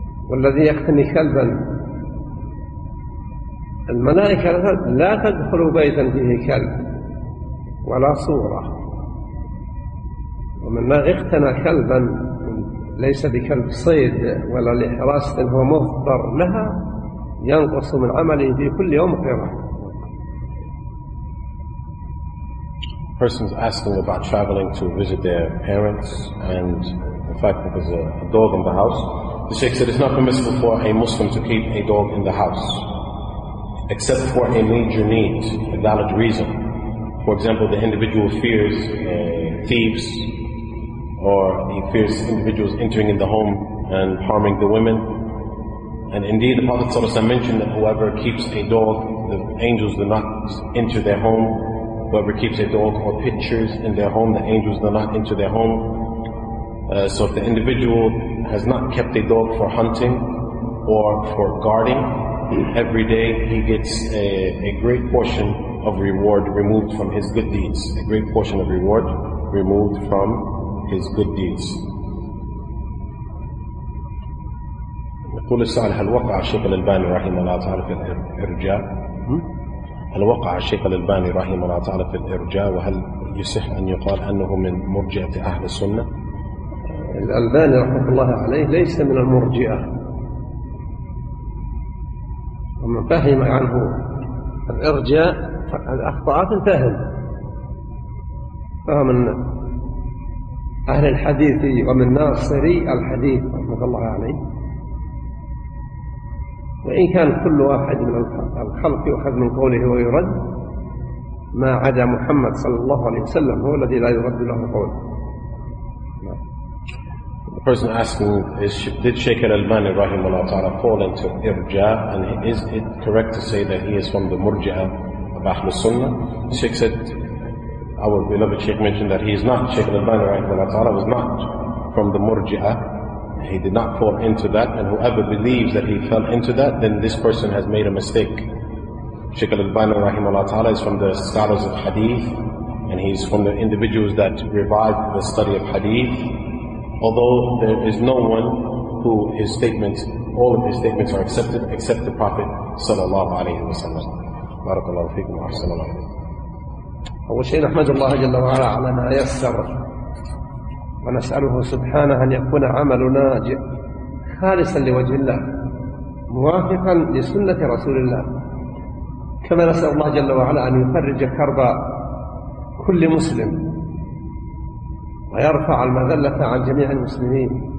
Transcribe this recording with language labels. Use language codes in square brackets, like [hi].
[ar] والذي يقتني كلبا الملائكة لا تدخل بيتا فيه كلب ولا صورة، ومن اقتنى كلبا ليس بكلب صيد ولا لحراسة هو مضطر لها ينقص من عمله في كل يوم قيامه. [en] Person's asking about traveling to visit their parents and the fact that there's a dog in the house. The Shaykh said it's not permissible for a Muslim to keep a dog in the house except for a major need, a valid reason. For example, the individual fears thieves, or he fears individuals entering in the home and harming the women. And indeed the Prophet ﷺ mentioned that whoever keeps a dog, the angels do not enter their home whoever keeps a dog or pictures in their home, the angels do not enter their home. So if the individual has not kept a dog for hunting or for guarding, every day he gets a great portion of reward removed from his good deeds. A great portion of reward removed from his good deeds. [ar] يقول السؤال هل وقع الشيخ الألباني رحمه الله تعالى في الإرجاء؟ هل وقع الشيخ الألباني رحمه الله تعالى في الإرجاء وهل يصح أن يقال أنه من مرجئة أهل السنة؟ الألباني رحمه الله عليه ليس من المرجئة، ومن فهم عنه الإرجاء فالأخطأ في الفهم، فهم من أهل الحديث ومن ناصري الحديث رحمه الله عليه، وإن كان كل واحد من الخلق يؤخذ من قوله ويرد ما عدا محمد صلى الله عليه وسلم هو الذي لا يرد له قول. [en] The person asking is, did Sheikh Al-Albani [ar] rahimahullah ta'ala [en] fall into Irja, and is it correct to say that he is from the Murji'ah of Ahlus Sunnah? The Sheikh said, our beloved Sheikh mentioned that he is not, Sheikh Al-Albani [ar] rahimahullah ta'ala [en] was not from the Murji'ah. He did not fall into that, and whoever believes that he fell into that, then this person has made a mistake. Sheikh Al-Albani [ar] rahimahullah ta'ala [en] is from the scholars of Hadith, and he's from the individuals that revived the study of Hadith. Although there is no one who his statements, all of his statements are accepted except the Prophet [ar] sallallahu alayhi wa sallam. Barakallahu feekum wa ahsana ilaykum. أول شيء نحمد الله جل وعلا على ما يسر، ونسأله سبحانه أن يكون عملنا خالصا لوجه الله موافقا لسنة رسول الله، كما نسأل الله جل وعلا أن يفرج كرب كل مسلم ويرفع المذلة عن جميع المسلمين،